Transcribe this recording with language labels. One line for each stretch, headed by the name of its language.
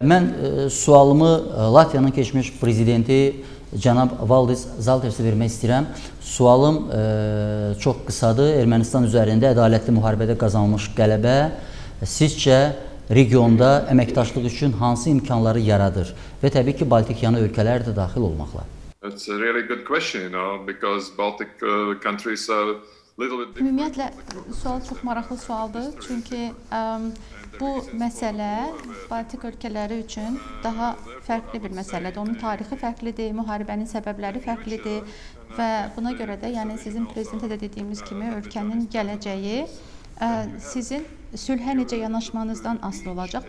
Azerbaijani: Mən sualımı Latviyanın keçmiş prezidenti Cənab Valdis Zaltersi vermək istəyirəm. Sualım çox qısadır. Ermənistan üzərində ədalətli müharibədə qazanılmış qələbə sizcə regionda əməkdaşlıq üçün hansı imkanları yaradır? Və təbii ki, Baltikyanı ölkələr də daxil olmaqla.
English: That's a really good question, you know, because Baltic countries are little bit different.
Azerbaijani: Ümumiyyətlə, sual çox maraqlı sualdır, çünki bu məsələ Baltik ölkələri üçün daha fərqli bir məsələdir. Onun tarixi fərqlidir, müharibənin səbəbləri fərqlidir və buna görə də, yəni sizin prezidentə də dediyimiz kimi, ölkənin gələcəyi sizin sülhə necə yanaşmanızdan asılı olacaq.